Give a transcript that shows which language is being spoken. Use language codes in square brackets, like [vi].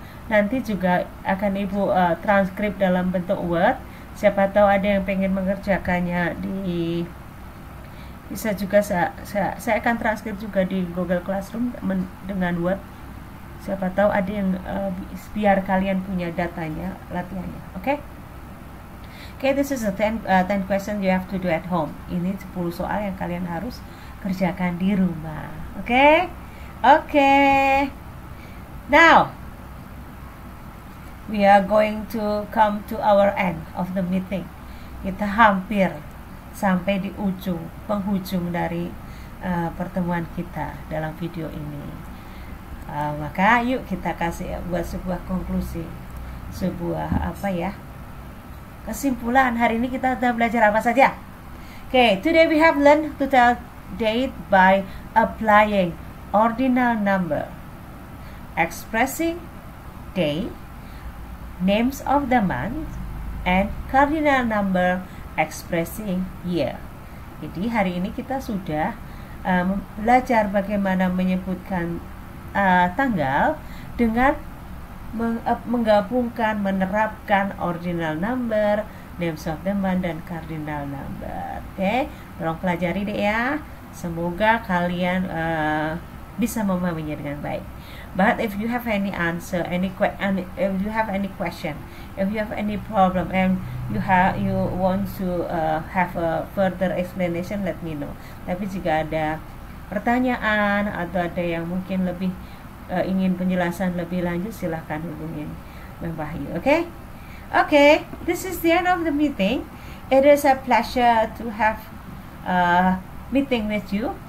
[id] Nanti juga akan Ibu transkrip dalam bentuk Word. Siapa tahu ada yang pengen mengerjakannya di bisa juga saya akan transkrip juga di Google Classroom dengan Word. Siapa tahu ada yang biar kalian punya datanya, latihannya. Oke? [en] Okay, this is a 10 question you have to do at home. [id] Ini 10 soal yang kalian harus kerjakan di rumah. Oke? Okay? [en] Now, we are going to come to our end of the meeting. [id] Kita hampir sampai di ujung, penghujung dari pertemuan kita dalam video ini. Maka yuk kita kasih buat sebuah konklusi, sebuah apa ya, kesimpulan. Hari ini kita sudah belajar apa saja? [en] Okay, today we have learned to tell date by applying ordinal number, expressing day, names of the month, and cardinal number expressing year. [id] Jadi hari ini kita sudah belajar bagaimana menyebutkan tanggal dengan menggabungkan, menerapkan ordinal number, names of the month, dan cardinal number. Oke, tolong pelajari deh ya. Semoga kalian bisa memahaminya dengan baik. [en] But if you have any answer, if you have any question, if you have any problem, and you want to have a further explanation, let me know. [id] Tapi jika ada pertanyaan atau ada yang mungkin lebih ingin penjelasan lebih lanjut, silahkan hubungin Mbak Wahyu. Oke? [en] Oke, this is the end of the meeting. It is a pleasure to have a meeting with you.